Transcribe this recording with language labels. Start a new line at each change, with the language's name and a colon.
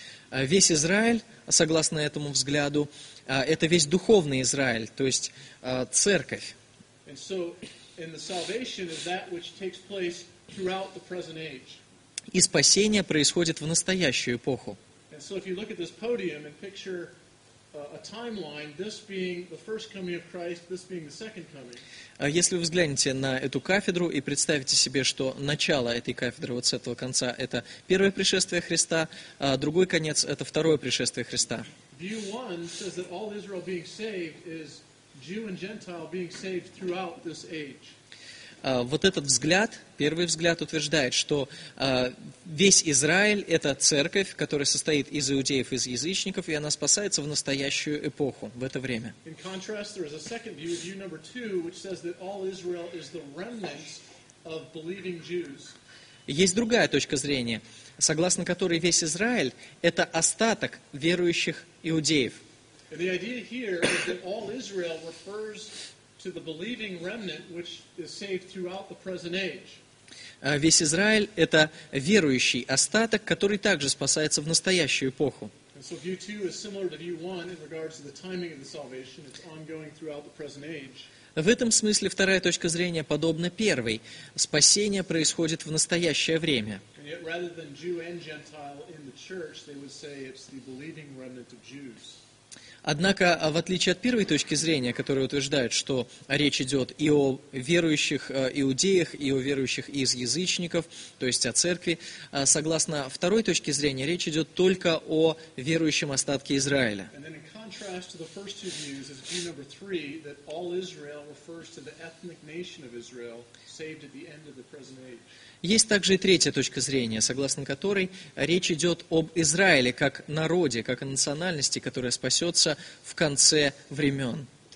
Russian: Весь Израиль, согласно этому взгляду, это весь духовный Израиль, то есть церковь.
English: And so, and the salvation is that which takes place throughout the present age.
Russian: И спасение происходит в настоящую эпоху.
English: And so, if you look at this podium and picture a timeline, this being the first coming of Christ, this being the second coming.
Russian: Если вы взглянете на эту кафедру и представите себе, что начало этой кафедры вот с этого конца это первое пришествие Христа, а другой конец это второе пришествие Христа.
English: View one says that all Israel being saved is Jew and Gentile being saved throughout this age.
Russian: Вот этот взгляд, первый взгляд утверждает, что весь Израиль – это церковь, которая состоит из иудеев, из язычников, и она спасается в настоящую эпоху, в это время.
English: In contrast, there is a second view, view number two, which says that all Israel is the remnants of believing Jews.
Russian: Есть другая точка зрения, согласно которой весь Израиль – это остаток верующих иудеев.
English: And the idea here is that all Israel refers to the believing remnant, which is saved throughout the present age.
Russian: Весь Израиль – это верующий остаток, который также спасается в настоящую эпоху.
English: And so view two is similar to view one in regards to the timing of the salvation. It's ongoing throughout the present age.
Russian: В этом смысле вторая точка зрения подобна первой. Спасение происходит в настоящее время.
English: And yet, rather than Jew and Gentile in the church, they would say it's the believing remnant of Jews.
Russian: Однако, в отличие от первой точки зрения, которая утверждает, что речь идет и о верующих иудеях, и о верующих из язычников, то есть о церкви, согласно второй точке зрения, речь идет только о верующем остатке Израиля.
English: And then in contrast to the first two views, is view number three, that all Israel refers to the ethnic nation of Israel, saved at the end of the present age.
Russian: Есть также и третья точка зрения, согласно которой речь идет об Израиле как народе, как о национальности, которая спасется в конце времен.